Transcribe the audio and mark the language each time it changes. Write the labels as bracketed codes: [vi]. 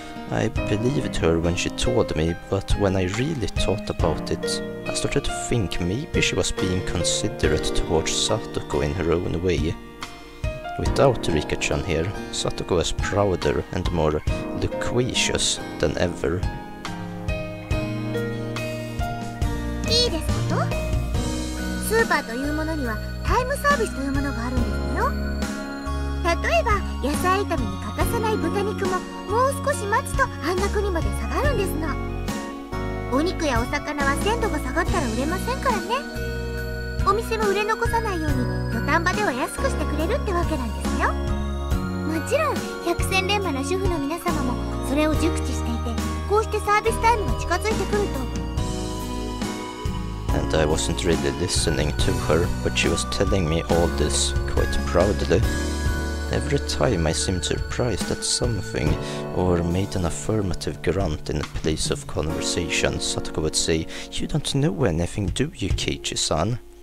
[en] I believed her when she told me, but when I really thought about it, I started to think maybe she was being considerate towards Satoko in her own way. Without Rika-chan here, Satoko is prouder and more loquacious than ever. [ja] いいですこと？スーパーというものにはタイムサービスというものがあるんですよ。例えば、野菜炒めに欠かせない豚肉ももう少し待つと半額にまで下がるんですの。お肉やお魚は鮮度が下がったら売れませんからね。お店も売れ残さないように土壇場では安くしてくれるってわけなんですよ。もちろん百戦錬磨の主婦の皆様もそれを熟知していて、こうしてサービスタイムが近づいてくると。 [en] And I wasn't really listening to her, but she was telling me all this quite proudly. Every time I seemed surprised at something or made an affirmative grunt in a place of conversation, Satoko would say, "You don't know anything, do you, Keiji-san?"